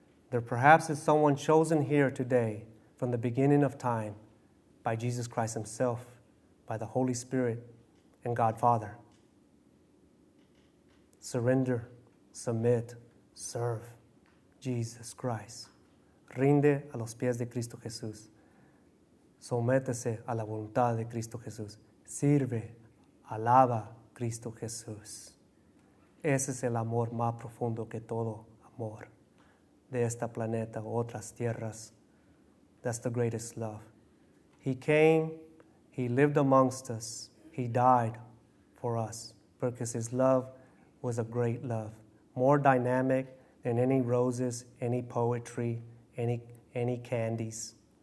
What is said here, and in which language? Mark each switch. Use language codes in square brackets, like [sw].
[en] There perhaps is someone chosen here today from the beginning of time by Jesus Christ himself, by the Holy Spirit and God Father. Surrender, submit, serve Jesus Christ. [es] Rinde a los pies de Cristo Jesús. Sométese a la voluntad de Cristo Jesús. Sirve, alaba Cristo Jesús. Ese es el amor más profundo que todo amor de esta planeta o otras tierras. [en] That's the greatest love. He came, he lived amongst us, he died for us because his love was a great love. More dynamic than any roses, any poetry, any candies.